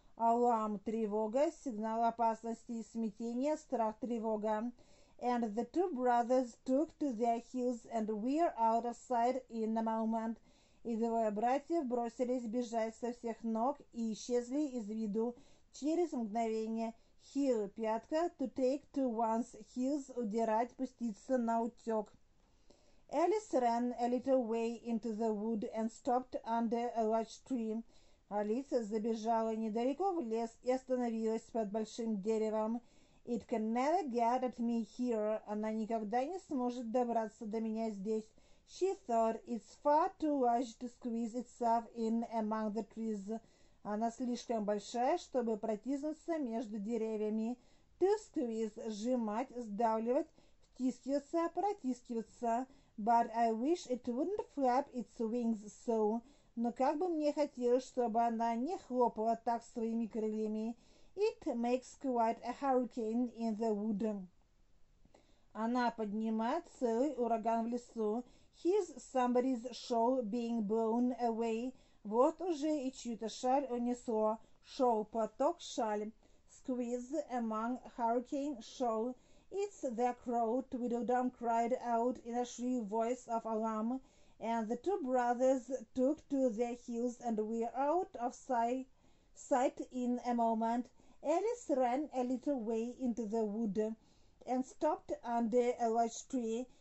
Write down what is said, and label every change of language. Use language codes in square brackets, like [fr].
[ru] Alarm, тревога, сигнал опасности и смятения, страх, тревога. [en] And the two brothers took to their heels and were out of sight in a moment. [ru] И двое братьев бросились бежать со всех ног и исчезли из виду через мгновение. [en] Heel, [ru] пятка, [en] to take to one's heels, [ru] удирать, пуститься на утек. [en] Alice ran a little way into the wood and stopped under a large tree. [ru] Алиса забежала недалеко в лес и остановилась под большим деревом. [en] It can never get at me here. [ru] Она никогда не сможет добраться до меня здесь. [en] She thought it's far too large to squeeze itself in among the trees. [ru] Она слишком большая, чтобы протиснуться между деревьями. [en] To squeeze, [ru] сжимать, сдавливать, втискиваться, протискиваться. [en] But I wish it wouldn't flap its wings so. [ru] Но как бы мне хотелось, чтобы она не хлопала так своими крыльями. [en] It makes quite a hurricane in the wood. [ru] Она поднимает целый ураган в лесу. [en] Here's somebody's shawl being blown away. [ru] Вот уже и чью-то шаль унесло. [en] Shawl, [ru] платок, шаль. [en] Squeeze among hurricane shawl. It's the crow, Tweedledum cried out in a shrill voice of alarm. And the two brothers took to their heels and were out of sight in a moment. Alice ran a little way into the wood and stopped under a large tree.